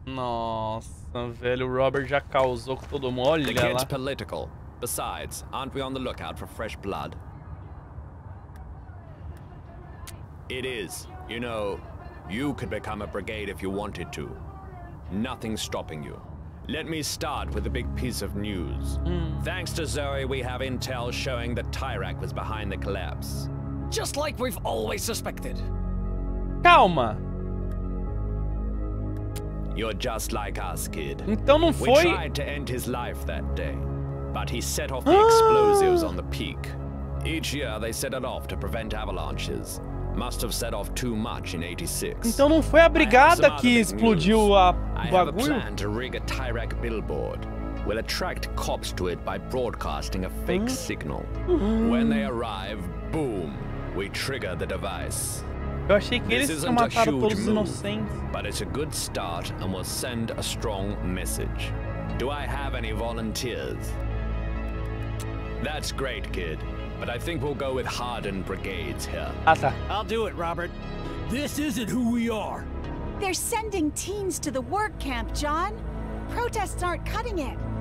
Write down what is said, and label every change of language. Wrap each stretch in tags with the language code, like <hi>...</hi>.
<pt>Nossa, velho, o Robert já causou com todo mundo. Olha lá.</pt> <en>The kid's political. Besides, aren't we on the lookout for fresh blood? It is. You know, you could become a brigade if you wanted to. Nothing stopping you. Let me start with a big piece of news. Thanks to Zoe, we have intel showing that Tyrak was behind the collapse. Just like we've always suspected.</en> <pt>Calma.</pt> <en>You're just like us, kid.</en> <pt>Então não foi...</pt> <en>We tried to end his life that day, but he set off the explosives on the peak. Each year, they set it off to prevent avalanches. Must have set off too much in 86.</en> <pt>Então não foi a brigada que explodiu a bagulho?</pt> <en>I have a plan to rig a Tyrak billboard. We'll attract cops to it by broadcasting a fake signal. When they arrive, boom, we trigger the device.</en> <pt>Eu achei que eles tinham matado todos os inocentes.</pt> <en>But it's a good start and will send a strong message. Do I have any volunteers? That's great, kid. But I think we'll go with hardened brigades here. Asa. I'll do it, Robert. This isn't who we are. They're sending teens to the work camp, John. Protests aren't cutting it.</en>